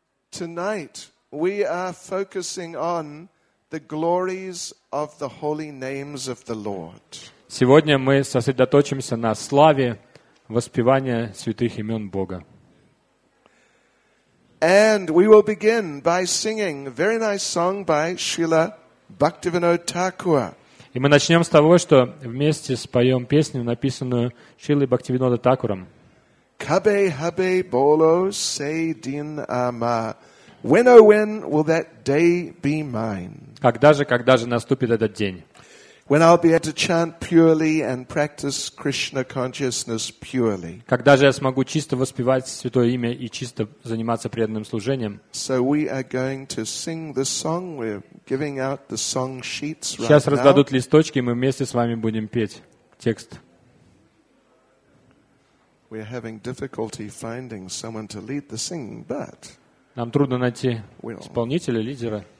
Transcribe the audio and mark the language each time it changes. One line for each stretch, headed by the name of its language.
English: Tonight, we are focusing on the glories of the holy names of the Lord.
Russian: Сегодня мы сосредоточимся на славе воспевания святых имен Бога.
English: And we will begin by singing a very nice song by Srila Bhaktivinoda Thakura.
Russian: И мы начнем с того, что вместе споем песню, написанную Шрилой Бхактивинода Такуром.
Bangla: Кабе хабе боло сей дин ама.
English: When, oh, when will that day be mine?
Russian: Когда же наступит этот день?
English: When I'll be able to chant purely and practice Krishna consciousness purely.
Russian: Когда же я смогу чисто воспевать святое имя и чисто заниматься преданным служением?
English: So we are going to sing the song. We're giving out the song sheets right now.
Russian: Сейчас раздадут листочки, и мы вместе с вами будем петь текст.
English: We are having difficulty finding someone to lead the singing, but
Russian: нам трудно найти исполнителя, лидера.